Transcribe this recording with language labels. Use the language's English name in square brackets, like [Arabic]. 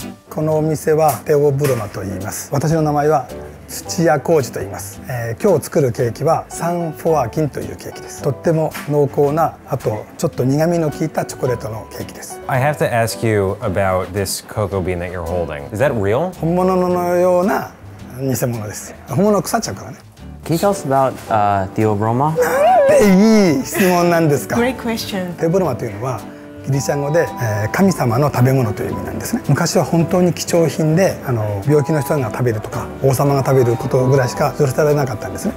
[Japanese] このお店はテオブロマと言います。私の名前は土屋浩二と言います。今日作るケーキはサンフォアキンというケーキです。とっても濃厚な、あとちょっと苦味の効いたチョコレートのケーキです。 [English] I have to ask you about this cocoa bean that you're holding. Is that real? [Japanese] 本物のような偽物です。本物は腐っちゃうからね。 [English] Can you tell us about Teo Broma? [Japanese] なんていい質問なんですか。 [English] Great question. [Japanese] テオブロマというのはギリシャ語で、神様の食べ物という意味なんですね。昔は本当に貴重品で、病気の人が食べるとか、王様が食べることぐらいしか許されなかったんですね。